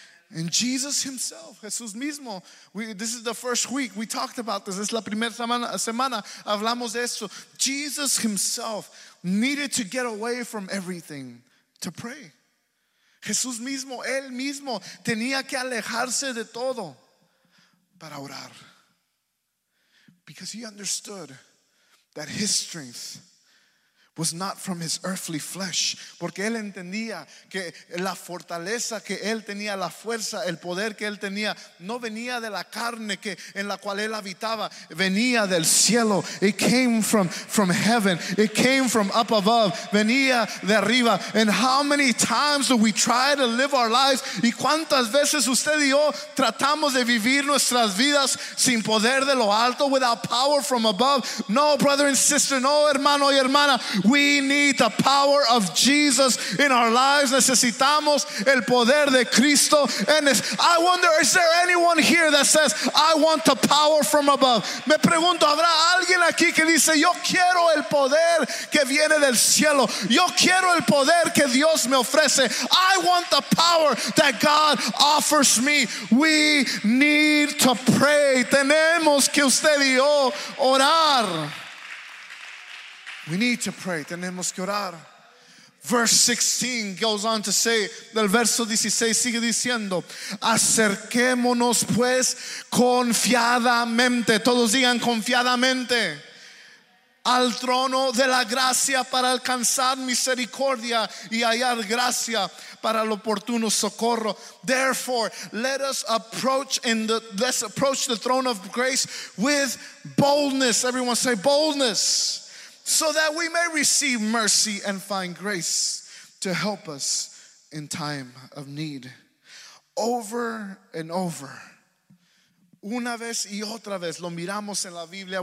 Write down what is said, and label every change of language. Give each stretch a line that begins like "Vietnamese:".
English: And Jesus himself,
Spanish: Jesús mismo,
English: this is the first week we talked about this.
Spanish: Es la primera semana hablamos de esto.
English: Jesus himself needed to get away from everything to pray.
Spanish: Jesús mismo, él mismo, tenía que alejarse de todo para orar.
English: Because he understood that his strength was not from his earthly flesh.
Spanish: Porque él entendía que la fortaleza que él tenía, la fuerza, el poder que él tenía, no venía de la carne que en la cual él habitaba, venía del cielo.
English: It came from heaven. It came from up above.
Spanish: Venía de arriba.
English: And how many times do we try to live our lives?
Spanish: Y cuántas veces usted y yo tratamos de vivir nuestras vidas sin poder de lo alto,
English: without power from above? No, brother and sister.
Spanish: No, hermano y hermana.
English: We need the power of Jesus in our lives.
Spanish: Necesitamos el poder de Cristo.
English: And I wonder, is there anyone here that says, I want the power from above?
Spanish: Me pregunto, ¿habrá alguien aquí que dice, yo quiero el poder que viene del cielo? Yo quiero el poder que Dios me ofrece.
English: I want the power that God offers me. We need to pray.
Spanish: Tenemos que usted y yo orar.
English: We need to pray.
Spanish: Tenemos que orar.
English: Verse 16 goes on to say,
Spanish: del verso 16 sigue diciendo, acerquémonos pues confiadamente. Todos digan confiadamente. Al trono de la gracia para alcanzar misericordia y hallar gracia para el oportuno socorro.
English: Therefore, let us approach the throne of grace with boldness. Everyone say boldness. So that we may receive mercy and find grace to help us in time of need. Over and over.
Spanish: Una vez y otra vez lo miramos en la Biblia.